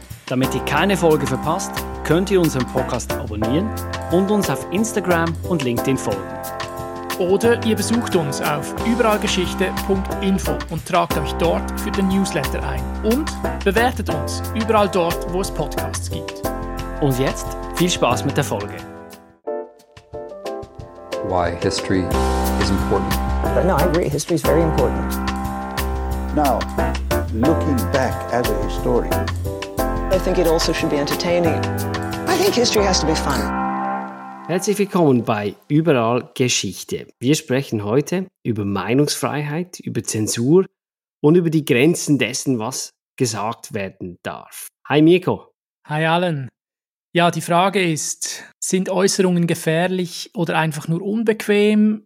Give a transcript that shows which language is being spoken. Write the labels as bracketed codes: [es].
[de] Damit ihr keine Folge verpasst, könnt ihr unseren Podcast abonnieren und uns auf Instagram und LinkedIn folgen. Oder ihr besucht uns auf überallgeschichte.info und tragt euch dort für den Newsletter ein. Und bewertet uns überall dort, wo es Podcasts gibt. Und jetzt viel Spaß mit der Folge. [en] Why history is important. No, I agree. History is very important. Now, looking back as a historian. I think it also should be entertaining. I think history has to be fun. [de] Herzlich willkommen bei Überall Geschichte. Wir sprechen heute über Meinungsfreiheit, über Zensur und über die Grenzen dessen, was gesagt werden darf. Hi Mirko. Hi Alan. Ja, die Frage ist, sind Äußerungen gefährlich oder einfach nur unbequem?